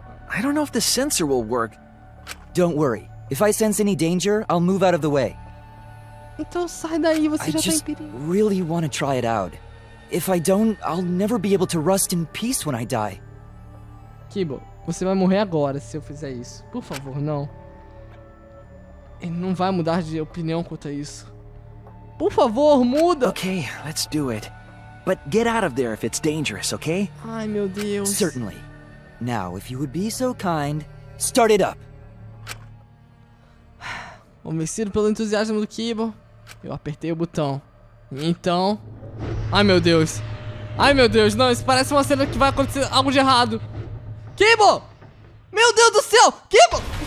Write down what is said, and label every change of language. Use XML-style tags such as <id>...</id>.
<en>I don't know if the sensor will work. Don't worry. If I sense any danger, I'll move out of the way.</en> <pt>Então sai daí, você</pt> <en>I</en> <pt>já</pt> <en>just</en> <pt>tá em perigo.</pt> <en>Really want to try it out. If I don't, I'll never be able to rest in peace when I die.</en> <pt>Kibo, você vai morrer agora se eu fizer isso. Por favor, não. Ele não vai mudar de opinião quanto a isso. Por favor, muda.</pt> <en>Okay, let's do it. But get out of there if it's dangerous, okay?</en> <pt>Ai, meu Deus.</pt> <en>Certainly. Now, if you would be so kind, start it up.</en> <pt>Convencido pelo entusiasmo do Kibo, eu apertei o botão. Então... Ai, meu Deus. Ai, meu Deus. Não, isso parece uma cena que vai acontecer algo de errado. Kibo! Meu Deus do céu! Kibo!</pt>